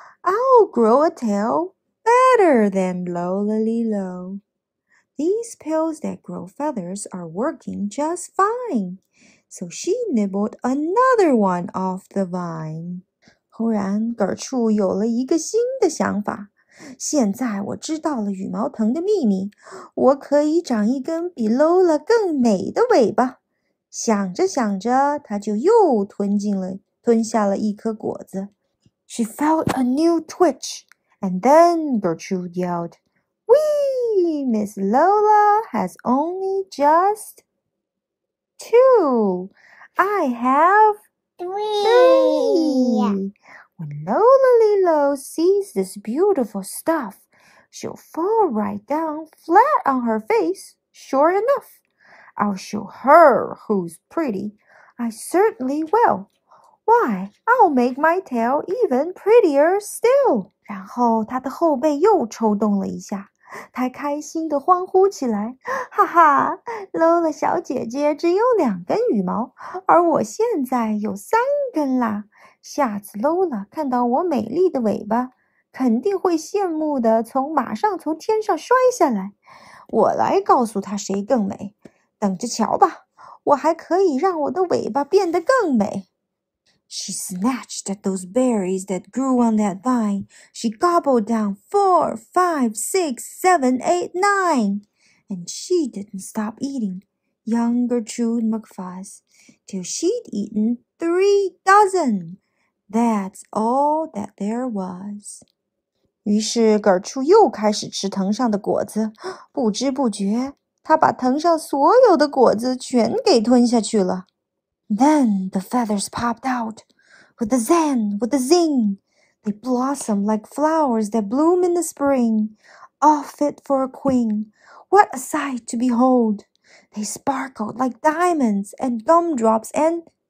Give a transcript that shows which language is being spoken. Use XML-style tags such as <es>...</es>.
<en>I'll grow a tail better than Lola Lilo. These pills that grow feathers are working just fine. So she nibbled another one off the vine.</en> <zh>忽然，葛处有了一个新的想法。现在我知道了羽毛藤的秘密，我可以长一根比 Lola 更美的尾巴。想着想着，他就又吞下了一颗果子。</zh> <en>She felt a new twitch, and then Gertrude yelled, Whee! Miss Lola has only just two. I have three. When Lola Lilo sees this beautiful stuff, she'll fall right down flat on her face, sure enough. I'll show her who's pretty. I certainly will. Why, I'll make my tail even prettier still.</en> <zh>然后他的后背又抽动了一下，他开心地欢呼起来。哈哈， Lola 小姐姐只有两根羽毛，而我现在有三根啦。下次 Lola 看到我美丽的尾巴，肯定会羡慕地马上从天上摔下来。我来告诉她谁更美，等着瞧吧，我还可以让我的尾巴变得更美。</zh> <en>She snatched at those berries that grew on that vine. She gobbled down 4, 5, 6, 7, 8, 9. And she didn't stop eating, young Gertrude McFuzz, till she'd eaten 3 dozen. That's all that there was.</en> <zh>于是葛处又开始吃藤上的果子，不知不觉，他把藤上所有的果子全给吞下去了。</zh> <en>Then the feathers popped out, with a zen, with a zing. They blossomed like flowers that bloom in the spring, all fit for a queen. What a sight to behold! They sparkled like diamonds and gumdrops and</en>